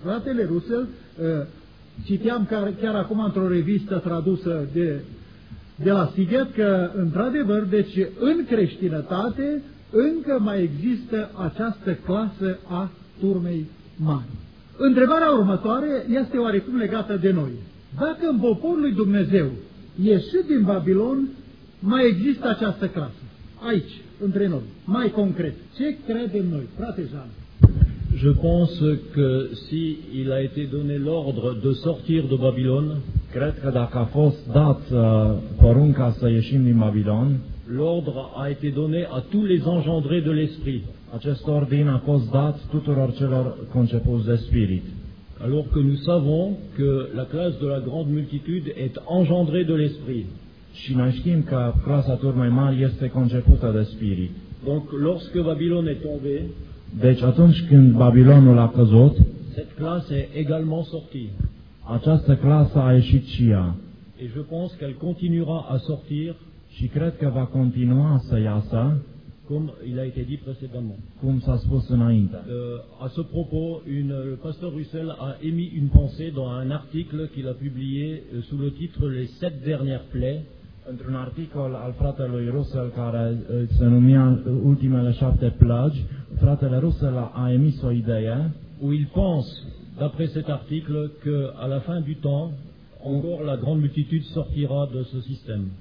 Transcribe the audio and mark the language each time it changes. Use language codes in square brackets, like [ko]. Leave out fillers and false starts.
[ro] Fratele Russell, citeam chiar acum într-o revistă tradusă de la Siget, că într-adevăr, deci în creștinătate, încă mai există această clasă a turmei mari. Întrebarea următoare este oarecum legată de noi. Dacă în poporul lui Dumnezeu, ieșit din Babilon, mai există această clasă? Aici, între noi, mai concret, ce credem noi, frate Jean? [fr] Je pense que si il a été donné l'ordre de sortir de Babylone, [ro] cred că dacă a fost dat porunca să ieșim din Babilon, [fr] l'ordre a été donné à tous les engendrés de l'esprit. [ro] Acest ordin a fost dat tuturor celor concepuți de spirit. [fr] Alors que nous savons que la classe de la grande multitude est engendrée de l'esprit. [ro] Și noi știm că clasa turmei mari este concepută de spirit. [fr] Donc lorsque Babylon est tombé, [ro] deci atunci când Babilonul a căzut, [fr] cette classe est également sortie. [ro] Această clasă a ieșit și ea. [fr] Et je pense qu'elle continuera à sortir, [ro] și cred că va continua să iasă, [fr] comme il a été dit précédemment. [ro] Cum s-a spus înainte. [fr] À ce propos, le pasteur Russell a émis une pensée dans un article qu'il a publié sous le titre Les sept dernières plaies. [ro] Într-un articol al fratelui Russell care se numea Ultimele șapte plăgi, fratele Russell a emis o idee [fr] où il pense, d'après cet article, que à la fin du temps, encore la grande multitude sortira de ce système.